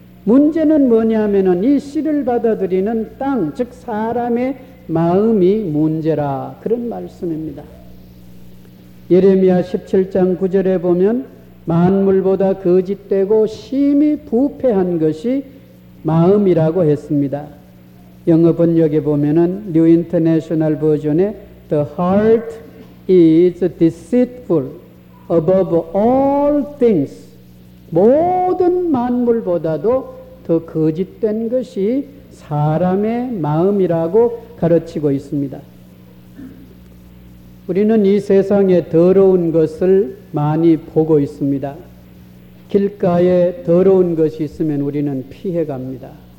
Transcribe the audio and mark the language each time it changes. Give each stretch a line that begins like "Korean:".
Korean: 문제는 뭐냐면은 이 씨를 받아들이는 땅, 즉 사람의 마음이 문제라 그런 말씀입니다. 예레미야 17장 9절에 보면 만물보다 거짓되고 심히 부패한 것이 마음이라고 했습니다. 영어 번역에 보면은
English: New International Version에 The heart is deceitful above all things.
Korean: 모든 만물보다도 더 거짓된 것이 사람의 마음이라고 가르치고 있습니다. 우리는 이 세상에 더러운 것을 많이 보고 있습니다. 길가에 더러운 것이 있으면 우리는 피해갑니다.